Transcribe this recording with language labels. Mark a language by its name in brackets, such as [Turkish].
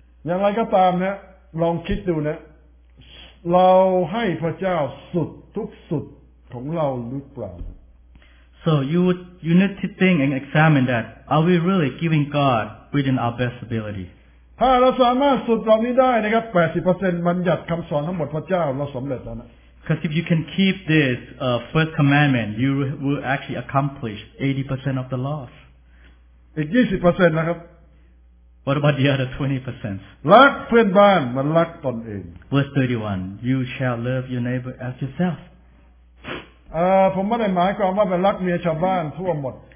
[Thai] ยังไงก็ตามเนี่ยลองคิดดูนะเราให้พระเจ้าสุดทุกสุดของเราหรือเปล่า [English] So you need to think and examine that. Are we really giving God within our best ability? [Thai] ถ้าเราสามารถสุดเหล่านี้ได้นะครับ 80% บัญญัติคำสอนทั้งหมดพระเจ้าเราสำเร็จแล้วนะ [English] Because if you can keep this first commandment, you will actually accomplish 80% of the laws. [Thai] 20% นะครับ [English] What about the other 20%? [Thai] รักเพื่อนบ้านมันรักตนเอง [English] Verse 31, you shall love your neighbor as yourself. [Thai] ผมไม่ได้หมายความว่าไปรักเมียชาวบ้านทั่วหมด